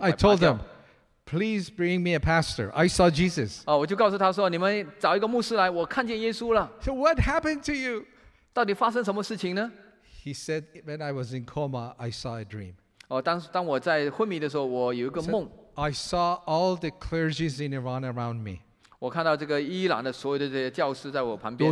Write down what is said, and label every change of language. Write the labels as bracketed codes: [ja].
[en] I told them, please bring me a pastor. I saw Jesus. [zh] 我就告诉他说，你们找一个牧师来，我看见耶稣了。 [en] So what happened to you? [zh] 到底发生什么事情呢？ [en] He said, when I was in coma, I saw a dream. [zh] 当我在昏迷的时候，我有一个梦。 [en] I saw all the clergies in Iran around me. [zh] 我看到这个伊朗的所有的这些教师在我旁边,